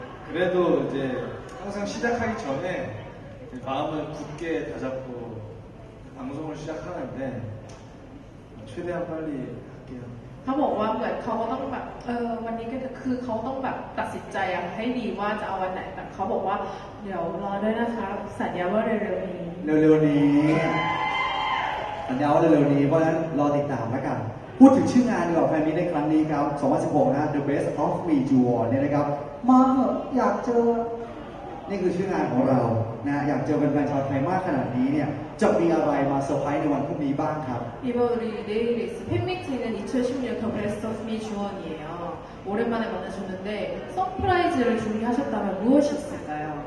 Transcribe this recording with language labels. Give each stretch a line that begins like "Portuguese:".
Korean: 그래도 이제 항상 시작하기 전에 마음을 굳게 다잡고 방송을 시작하는데 최대한 빨리 할게요.
Thai: เขาบอกว่าเหมือนเขาต้องแบบวันนี้ก็คือเขาต้องแบบตัดสินใจอยากให้ดีว่าจะเอาวันไหนแต่เขาบอกว่าเดี๋ยวรอด้วยนะคะสัญญาว่าเร็วๆนี้เร็วๆนี้สัญญาว่าเร็วๆนี้เพราะฉะนั้นรอติดตามแล้วกัน พูดถึงชื่องานก่อนแฟนมีในครั้งนี้ครับ2016 นะ The Best of Me Jewel นี่นะครับมาเถอะอยากเจอนี่คือชื่องานของเรานะอยากเจอแฟนๆชาวไทยมากขนาดนี้เนี่ยจะมีอะไรมาเซอร์ไพรส์ในวันพรุ่งนี้บ้างครับ
Korean: 이번 우리 내일 있을 팬미팅은 2016 The Best of Me Jewel 이에요오랜만에만나셨는데서프라이즈를준비하셨다면무엇이었을까요